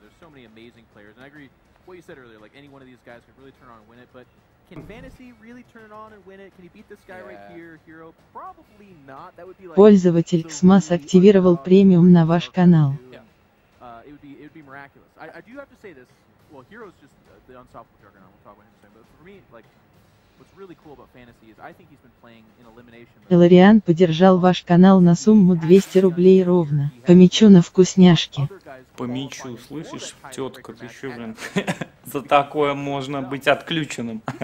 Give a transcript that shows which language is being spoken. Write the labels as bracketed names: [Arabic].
[English] There's so many amazing players, and I agree what you said earlier. Like any one of these guys could really turn on and win it. But can fantasy really turn it on and win it? Can he beat this guy right here, Hero? Probably not. That would be like. [Russian] Пользователь XMAS активировал премиум на ваш канал. [English] It would be miraculous. I do have to say this. Well, Hero's just the unstoppable juggernaut. We'll talk about him soon. But for me, like, what's really cool about fantasy is I think he's been playing in elimination. [Russian] Эллариан поддержал ваш канал на сумму 200 рублей ровно. По мячу на вкусняшки. По мячу, слышишь, тетка, ты еще, блин, за такое можно быть отключенным.